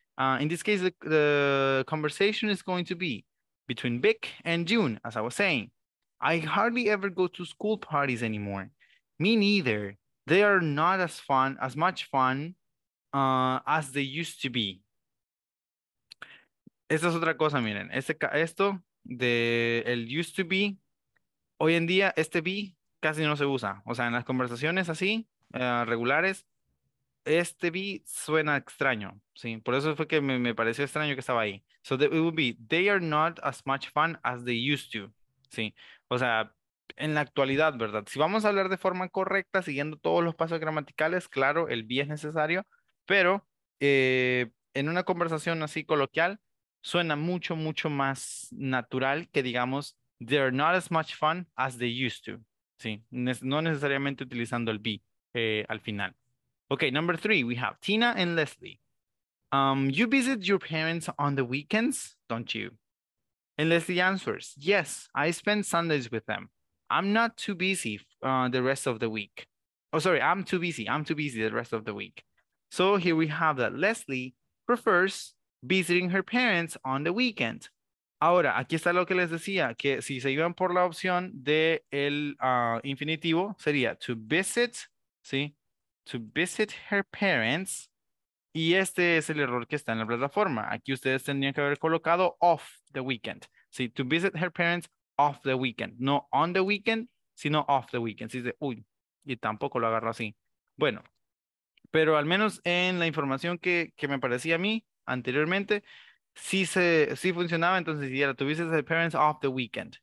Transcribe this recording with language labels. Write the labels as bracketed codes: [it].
[en] In this case, the conversation is going to be between Vic and June, as I was saying. I hardly ever go to school parties anymore. Me neither. They are not as much fun as they used to be. [es] Esta es otra cosa, miren. Esto de el [en] used to be, [es] hoy en día este be casi no se usa. O sea, en las conversaciones así, regulares, este be suena extraño. ¿Sí? Por eso fue que me pareció extraño que estaba ahí. [en] So it would be, they are not as much fun as they used to. [es] Sí, o sea, en la actualidad, ¿verdad? Si vamos a hablar de forma correcta, siguiendo todos los pasos gramaticales, claro, el be es necesario, pero en una conversación así coloquial, suena mucho, mucho más natural que digamos, [en] they're not as much fun as they used to. [es] Sí, no necesariamente utilizando el be al final. [en] Okay, number three, we have Tina and Leslie. You visit your parents on the weekends, don't you? And Leslie answers, yes, I spend Sundays with them. I'm not too busy the rest of the week. Oh, sorry, I'm too busy the rest of the week. So here we have that Leslie prefers visiting her parents on the weekend. [es] Ahora, aquí está lo que les decía, que si se iban por la opción de el infinitivo, sería [en] to visit, [es] ¿sí? [en] To visit her parents. [es] Y este es el error que está en la plataforma. Aquí ustedes tendrían que haber colocado [en] off the weekend. [es] ¿Sí? [en] To visit her parents off the weekend. No on the weekend, [es] sino [en] off the weekend. [es] ¿Sí? Uy, y tampoco lo agarro así. Bueno, pero al menos en la información que me parecía a mí anteriormente, sí funcionaba. Entonces, si era [en] to visit her parents off the weekend.